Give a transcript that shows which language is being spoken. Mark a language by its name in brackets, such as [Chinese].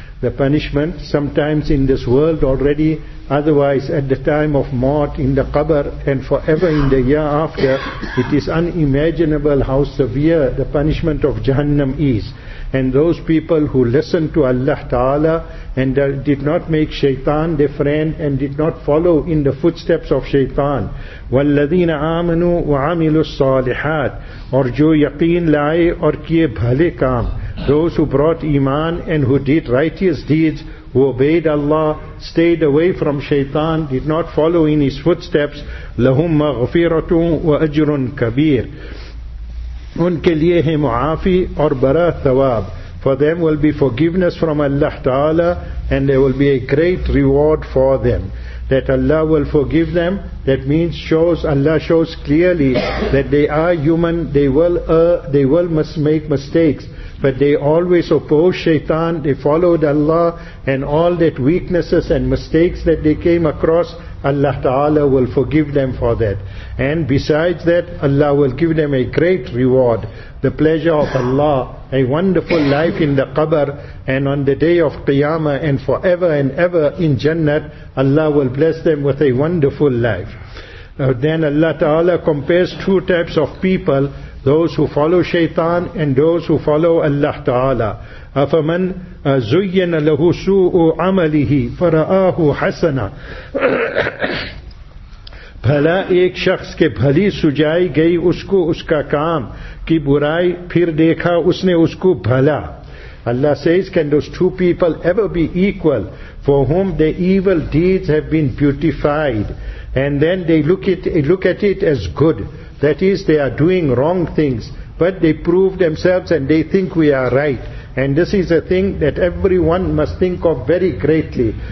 [English] The punishment, sometimes in this world already, otherwise at the time of mort, in the qabr, and forever in the year after, it is unimaginable how severe the punishment of Jahannam is. And those people who listened to Allah Ta'ala and did not make Shaitan their friend and did not follow in the footsteps of Shaitan. [Arabic] وَالَّذِينَ آمَنُوا وَعَمِلُوا الصَّالِحَاتِ [Urdu] اور جو یقین لائے اور کیے بھلے کام. [English] Those who brought iman and who did righteous deeds, who obeyed Allah, stayed away from Shaitan, did not follow in his footsteps. [Arabic] لَهُمْ مَغْفِرَةٌ وَأَجْرٌ كَبِيرٌ [Urdu] ان کے لئے ہے معافی اور برا ثواب. [English] For them will be forgiveness from Allah Ta'ala and there will be a great reward for them. That Allah will forgive them, that means Allah shows clearly that they are human, they will make mistakes. But they always oppose Shaitan, they followed Allah, and all that weaknesses and mistakes that they came across, Allah Ta'ala will forgive them for that. And besides that, Allah will give them a great reward, the pleasure of Allah, a wonderful life in the qabr, and on the day of Qiyamah, and forever and ever in Jannat, Allah will bless them with a wonderful life. Then Allah Ta'ala compares two types of people, those who follow Shaitan and those who follow Allah Ta'ala. [Arabic] أَفَمَنْ زُيِّنَ لَهُ سُوءُ عَمَلِهِ فَرَآهُ حَسَنًا [Urdu] بھلا ایک شخص کے بھلی سجائی گئی اس کو اس کا کام کی برائی پھر دیکھا اس نے اس کو بھلا. [English] Allah says, can those two people ever be equal for whom their evil deeds have been beautified and then they look at it as good? That is, they are doing wrong things, but they prove themselves and they think we are right. And this is a thing that everyone must think of very greatly.